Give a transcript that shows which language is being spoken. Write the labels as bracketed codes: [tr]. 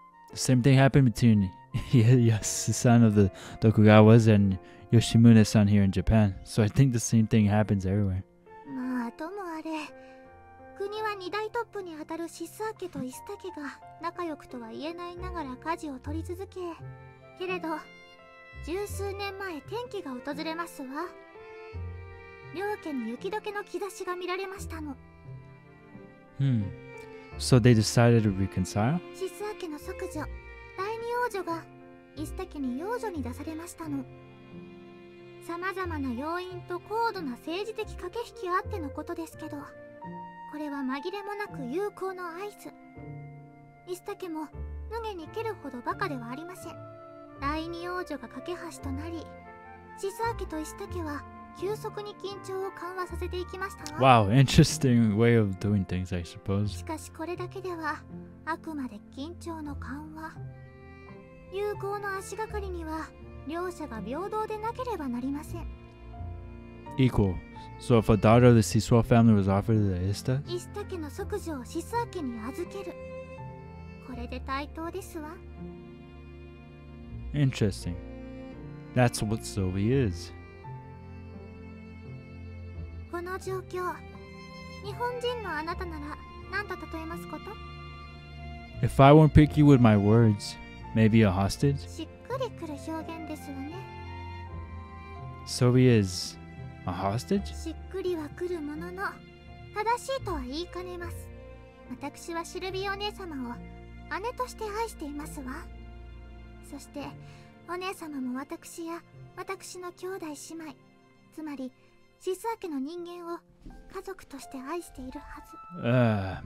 [en] Same thing happened between Yasu-san of the Tokugawas and Yoshimune-san here in Japan, so I think the same thing happens everywhere. [ja] まあ、ともあれ、国は二大トップに当たるシスアケとイスタケが仲良くとは言えないながら舵を取り続け、けれど、十数年前転機が訪れますわ。両家に雪解けの兆しが見られましたの。 [en] So they decided to reconcile? [ja] シス家の息女、第二王女が、イス家に養女に出されましたの。様々な要因と高度な政治的駆け引きあってのことですけど、これは紛れもなく有効の合図。イス家も、無下に蹴るほどバカではありません。第二王女が架け橋となり、シス家とイス家は、急速に緊張を緩和させていきましたわ。 [en] Wow, interesting way of doing things, I suppose. [ja] しかしこれだけでは、あくまで緊張の緩和。有効の足がかりには、両者が平等でなければなりません。 [en] Equal. So if a daughter of the Sisua family was offered to the Ista? [ja] イスタ家の息女をシスア家に預ける。これで対等ですわ。 [en] Interesting. That's what Sylvie is. [ja] この状況、日本人のあなたなら何と例えますこと？ [en] If I won't pick you with my words, maybe a hostage? [ja] しっくりくる表現ですわね。 [en] So he is a hostage? [ja] しっくりはくるものの、正しいとは言いかねます。私はシルビーお姉様を姉として愛していますわ。そしてお姉様も私や私の兄弟姉妹、つまりシスア家の人間を家族として愛しているはず。